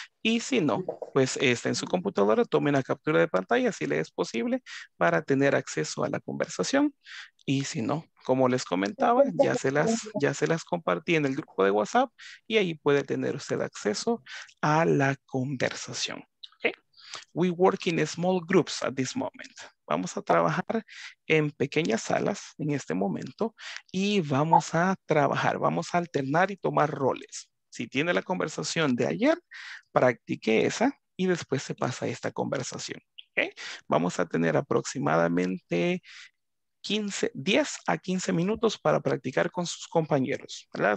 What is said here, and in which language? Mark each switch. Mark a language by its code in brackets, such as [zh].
[es] Y si no, pues está en su computadora, tome una captura de pantalla si le es posible para tener acceso a la conversación. Y si no, como les comentaba, ya se las compartí en el grupo de WhatsApp y ahí puede tener usted acceso a la conversación. [en] We work in small groups at this moment. [es] Vamos a trabajar en pequeñas salas en este momento y vamos a trabajar, vamos a alternar y tomar roles. Si tiene la conversación de ayer, practique esa y después se pasa a esta conversación. ¿Okay? Vamos a tener aproximadamente 10 a 15 minutos para practicar con sus compañeros. ¿Verdad?